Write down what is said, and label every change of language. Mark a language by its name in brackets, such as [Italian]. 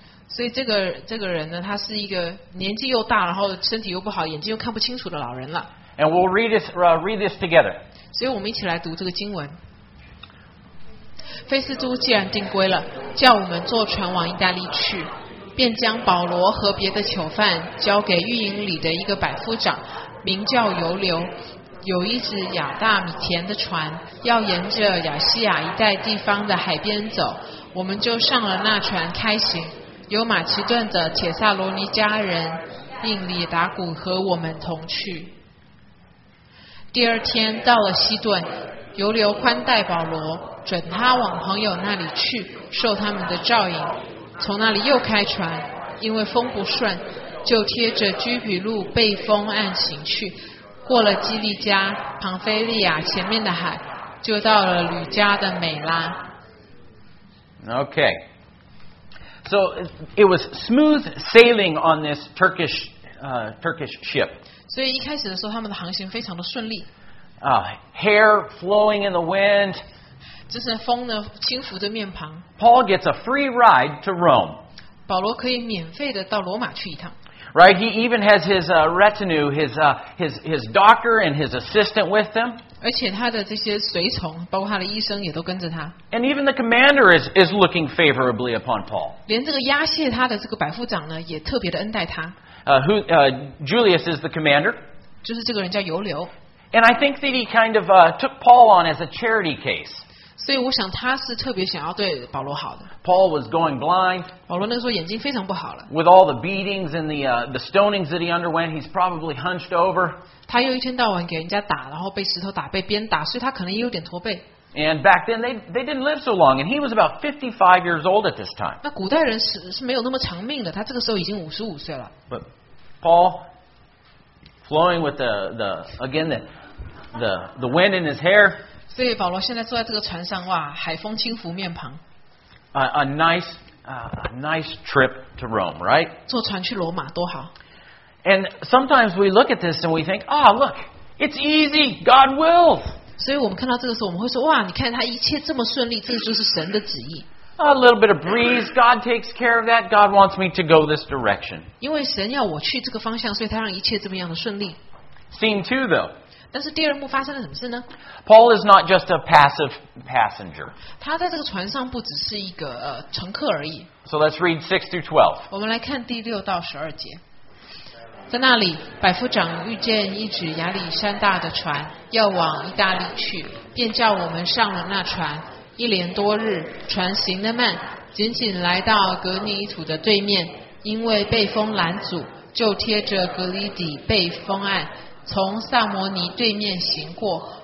[Chinese] 所以这个人呢，他是一个年纪又大，然后身体又不好，眼睛又看不清楚的老人了。 [English] And we'll read this together. [Chinese] 所以我们一起来读这个经文。腓斯都既然定规了，叫我们坐船往意大利去，便将保罗和别的囚犯交给狱营里的一个百夫长，名叫尤流，有一只亚大米田的船，要沿着亚细亚一带地方的海边走，我们就上了那船开行。有马其顿的铁萨罗尼家人并里达古和我们同去。第二天到了西顿，尤流宽带保罗，准他往朋友那里去，受他们的照应。从那里又开船，因为风不顺，就贴着居比路背风岸行去，过了基利加、庞菲利亚前面的海，就到了吕加的美拉。 [English] Okay. So it was smooth sailing on this Turkish ship. [Chinese] 所以一开始的时候，他们的航行非常的顺利。 [English] Hair flowing in the wind. [Chinese] 就是风呢轻拂着面庞。 [English] Paul gets a free ride to Rome. [Chinese] 保罗可以免费的到罗马去一趟。 [English] Right, he even has his retinue, his doctor and his assistant with them. [Chinese] 而且他的这些随从，包括他的医生也都跟着他。 [English] And even the commander is looking favorably upon Paul. [Chinese] 连这个押解他的这个百夫长呢，也特别的恩待他。 [English] Julius is the commander. [Chinese] 就是这个人叫尤流。 [English] And I think that he kind of took Paul on as a charity case. [Chinese] 所以我想他是特别想要对保罗好的。 [English] Paul was going blind. [Chinese] 保罗那个时候眼睛非常不好了。 [English] With all the beatings and the stonings that he underwent, he's probably hunched over. [Chinese] 他又一天到晚给人家打，然后被石头打，被鞭打，所以他可能也有点驼背。 [English] And back then they didn't live so long, and he was about 55 years old at this time. [Chinese] 那古代人是没有那么长命的，他这个时候已经55岁了。 [English] But Paul, flowing with the wind in his hair. [Chinese] 所以保罗现在坐在这个船上，哇，海风轻拂面庞。 [English] A nice trip to Rome, right? [Chinese] 坐船去罗马多好。 [English] And sometimes we look at this and we think, ah,、oh, look, it's easy. God wills. [Chinese] 所以我们看到这个时候，我们会说，哇，你看他一切这么顺利，这就是神的旨意。 [English] A little bit of breeze, God takes care of that. God wants me to go this direction. [Chinese] 因为神要我去这个方向，所以他让一切这么样的顺利。 [English] Scene two, though. [Chinese] 但是第二幕发生了什么事呢？ [English] Paul is not just a passive passenger. [Chinese] 他在这个船上不只是一个乘客而已。 [English] So let's read 6-12. [Chinese] 我们来看第六到十二节。在那里，百夫长遇见一只亚历山大的船要往意大利去，便叫我们上了那船。一连多日，船行得慢，仅仅来到格尼土的对面，因为被风拦阻，就贴着格里底背风岸，从萨摩尼对面行过。